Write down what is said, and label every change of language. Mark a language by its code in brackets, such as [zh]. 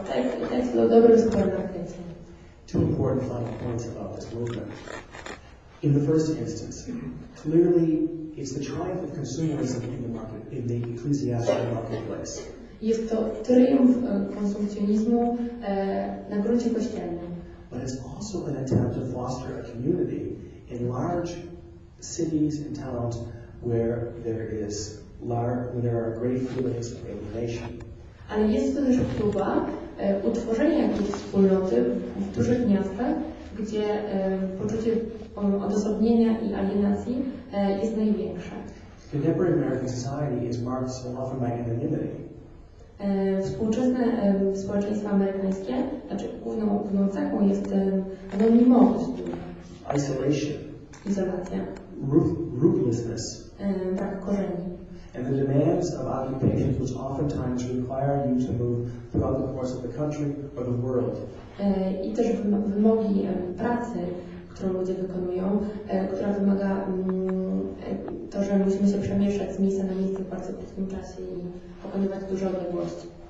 [pl] Tak, to dobry skór na kwiecie. [en] Two important final points about this movement. In the first instance, clearly it's the triumph of consumerism in the market, in the ecclesiastical marketplace. [pl] Jest to triumf konsumpcjonizmu na gruncie kościelnym. [en] But it's also an attempt to foster a community in large cities and towns where there is there are great feelings of alienation. [pl] Ale jest to też próba utworzenia jakiejś wspólnoty w dużych miastach, gdzie poczucie odosobnienia i alienacji jest największe. [en] Contemporary American society is marked so often by anonymity. [pl] Współczesne społeczeństwo amerykańskie, znaczy główną cechą jest anonimowość. [en] Isolation. [pl] Izolacja. [en] Ruthlessness. [pl] tak, korzeni. [en] And the demands of occupations which oftentimes require you to move throughout the course of the country or the world. [pl] I też wymogi pracy, którą ludzie wykonują, która wymaga to, że musimy się przemieszczać z miejsca na miejsce w bardzo krótkim czasie i pokonywać duże odległości.